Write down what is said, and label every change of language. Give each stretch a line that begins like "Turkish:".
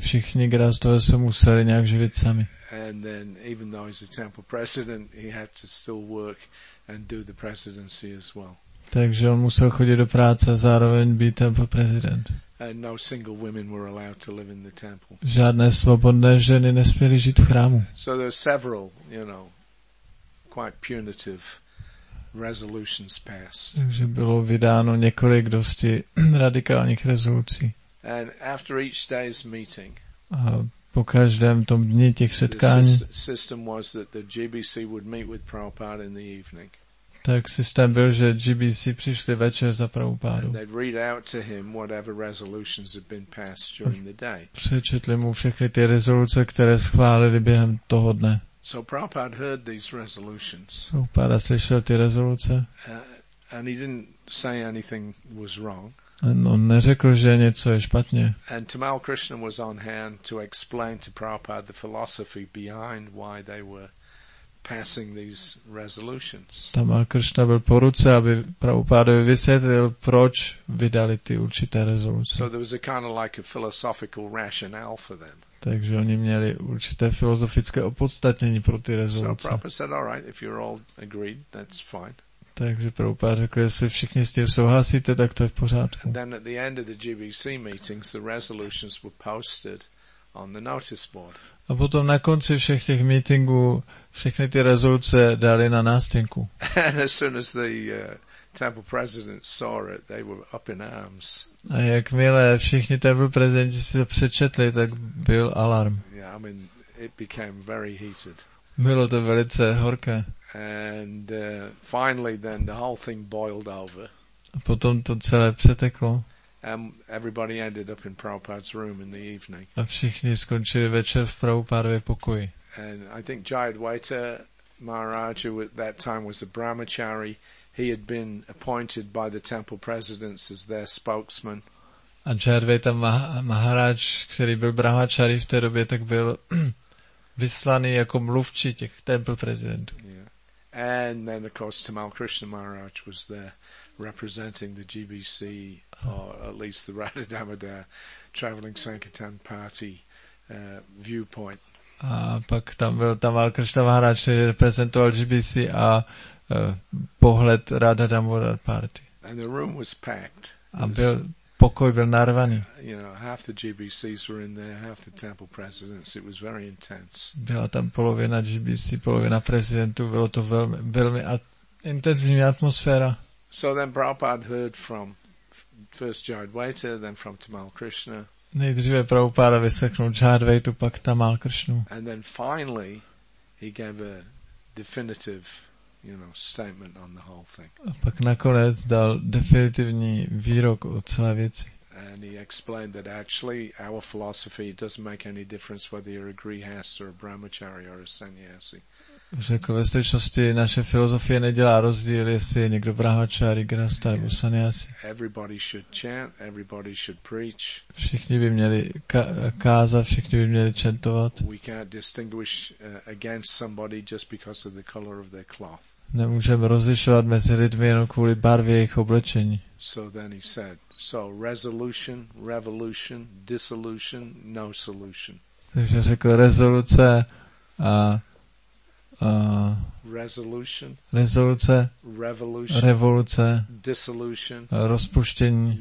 Czech: Všichni grihastové se museli nějak živit sami.
English: And then, even though he's a temple president, he had to still work and do the presidency as well.
Czech: Takže on musel chodit do práce a zároveň být temple president.
English: And no single women were allowed to live in the temple.
Czech: Žádné svobodné ženy nesměly žít v chrámu.
English: So there are several, you know, quite punitive resolutions passed.
Czech: Takže bylo vydáno několik dosti radikálních rezolucí.
English: And after each day's meeting,
Czech: a po každém tom dni těch setkání,
English: system was that the GBC would meet with Prabhupada in the evening.
Czech: Tak systém byl, že GBC přišli večer za Prabhupádu.
English: They'd read out to him whatever resolutions had been passed during the day.
Czech: Přečetli mu všechny ty rezoluce, které schválili během toho dne.
English: So Prabhupada heard these resolutions.
Czech: Prabhupada slyšel ty rezoluce.
English: And he didn't say anything was wrong.
Czech: On neřekl, že něco je špatně.
English: And Tamal Krishna was on hand to explain to Prabhupada the philosophy behind why they were passing these resolutions.
Czech: Tamal Krishna byl po ruce, aby Prabhupádovi vysvětlil, proč vydali ty určité rezoluce.
English: So there was a kind of like a philosophical rationale for them.
Czech: Takže oni měli určité filozofické opodstatnění pro ty rezoluce.
English: So Prabhupada said, all right, if you're all agreed, that's fine.
Czech: Takže Prabhupada řekl, jestli všichni s tím souhlasíte, tak to je v pořádku.
English: And then at the end of the GBC meetings, the resolutions were posted on the notice board.
Czech: A potom na konci všech těch meetingů všechny ty rezoluce dali na nástěnku.
English: And as soon as the temple president saw it, they were up in arms.
Czech: A jakmile všichni temple prezidenti si to přečetli, tak byl alarm.
English: Yeah, I mean, it became very heated.
Czech: Bylo to velice horké.
English: And finally then the whole thing boiled over.
Czech: A potom to celé přeteklo.
English: And everybody ended up in Prabhupada's room in the evening.
Czech: A všichni skončili večer v Prabhupádově pokoji.
English: And I think Jayadvaita Maharaj, who at that time was a brahmachari, he had been appointed by the temple presidents as their spokesman.
Czech: A Jayadvaita Maharaj, který byl brahmachari v té době, tak byl vyslaný jako mluvčí těch temple prezidentů.
English: And then, of course, Tamal Krishna Maharaj was there representing the GBC, or at least the Radha Damodar Traveling Sankirtan Party viewpoint.
Czech: A pak tam byl Tamal Krishna Maharaj, který reprezentoval GBC a pohled Radha Damodar Party.
English: And the room was packed.
Czech: A byl, pokoj byl narvaný.
English: You know, half the GBCs were in there, half the temple presidents. It was very intense.
Czech: Byla tam polovina GBC, polovina prezidentů. Bylo to velmi, velmi intenzivní atmosféra.
English: So then Prabhupada heard from first Jayadvaita, then from Tamal Krishna.
Czech: Nejdříve Prabhupada vyslechnul Jayadvaitu, pak Tamal Krishnu.
English: And then finally he gave a definitive, you know, statement on the whole thing.
Czech: A pak nakonec dal definitivní výrok o celé věci.
English: And he explained that actually our philosophy doesn't make any difference whether you're a grihast or a brahmachari or a sannyasi.
Czech: Řekl, ve stručnosti naše filozofie nedělá rozdíl, jestli je někdo brahmachari, grihasta nebo sannyasi.
English: Everybody should chant, everybody should preach.
Czech: Všichni by měli kázat, všichni by měli chantovat.
English: We can't distinguish against somebody just because of the color of their cloth.
Czech: Nemůžeme rozlišovat mezi lidmi jenom kvůli barvě jejich oblečení.
English: So then he said, so resolution, revolution, dissolution, no solution.
Czech: Takže řekl, rezoluce a
English: resolution,
Czech: rezoluce,
English: revolution,
Czech: revoluce,
English: dissolution,
Czech: rozpuštění,